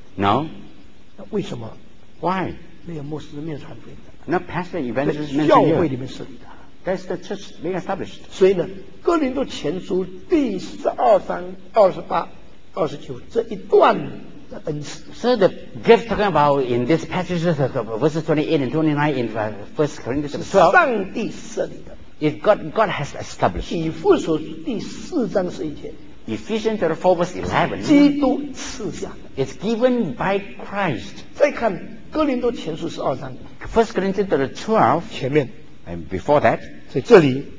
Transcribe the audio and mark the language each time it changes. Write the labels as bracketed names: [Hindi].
[English] No [Chinese] 为什么 [English] Why [Chinese] 没有牧师没有传福音的 [English] 那 Pastor and Evangelist [Chinese] 教会里面设立的 [English] That's the church being established [Chinese] 所以呢哥林多前书第十二章二十八二十九这一段的恩赐 [English] So the gift talking about in this passage verses 28 and 29 in 1 Corinthians 12 [Chinese] 是上帝设立的 [English] It God has established [Chinese] 以弗所书第四章十一节 [English] Ephesians chapter 4 verse 11 [Chinese] 基督赐下 [English] It's given by Christ [Chinese] 再看哥林多前书12章 [English] First Corinthians chapter 12 [Chinese] 前面 [English] And before that [Chinese] 在这里